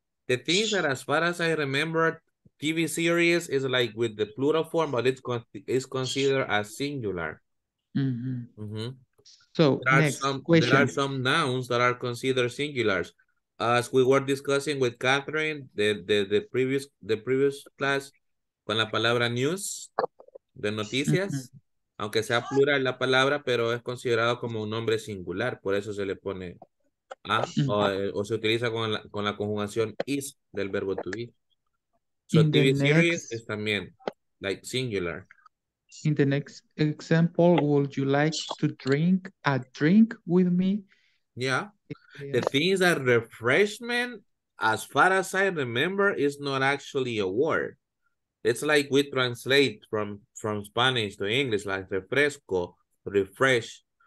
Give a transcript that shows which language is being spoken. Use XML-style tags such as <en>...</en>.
<en>The thing is that as far as I remember, TV series is like with the plural form, but it's considered as singular. Mm-hmm. Mm-hmm. So there next some, question. There are some nouns that are considered singulars. As we were discussing with Catherine, the previous class,</en> <es>con la palabra news, de noticias,</es> <en>mm-hmm.</en> <es>aunque sea plural la palabra, pero es considerado como un nombre singular, por eso se le pone a, mm-hmm. o se utiliza con la conjugación is del verbo to be.</es> <en>So in TV series next,</en> <es>es también,</es> <en>like singular. In the next example, would you like to drink a drink with me? Yeah. The thing is that refreshment, as far as I remember, is not actually a word. It's like we translate from Spanish to English, like refresco, refresh.</en>